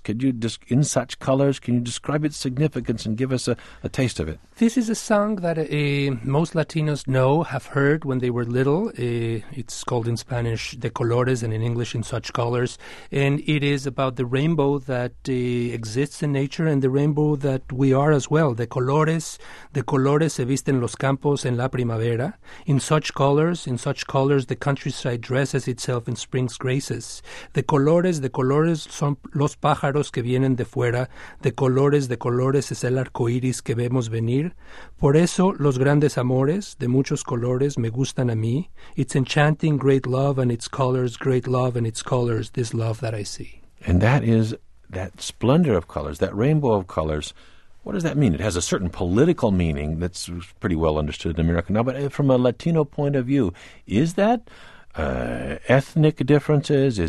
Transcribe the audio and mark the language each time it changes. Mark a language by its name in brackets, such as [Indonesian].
[English] Could you, in such colors, can you describe its significance and give us a taste of it? This is a song that most Latinos know, have heard when they were little. It's called in Spanish De Colores and in English In Such Colors. And it is about the rainbow that exists in nature and the rainbow that we are as well. [Spanish] De colores se visten los campos en la primavera. [English] In such colors, the countryside dresses itself in spring's graces. [Spanish] De colores son los pájaros que vienen de fuera. De colores es el arco iris que vemos venir. Por eso, los grandes amores de muchos colores me gustan a mí. [English] It's enchanting, great love and its colors, this love that I see. And that is that splendor of colors, that rainbow of colors. What does that mean? It has a certain political meaning that's pretty well understood in America now. But from a Latino point of view, is that ethnic differences?